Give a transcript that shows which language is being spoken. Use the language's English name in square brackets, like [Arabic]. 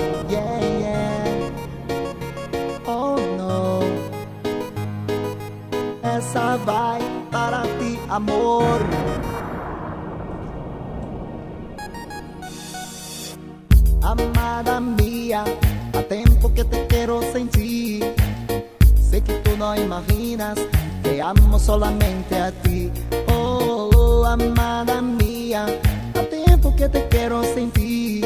[Portuguese] Yeah, yeah, oh no, essa vai para ti, amor. [Spanish] Amada mía, [Portuguese] há tempo que te quero sentir. [Spanish] Sé que tú no imaginas que amo solamente a ti. [Portuguese] Oh, oh, [Spanish] amada mía, [Portuguese] há tempo que te quero sentir.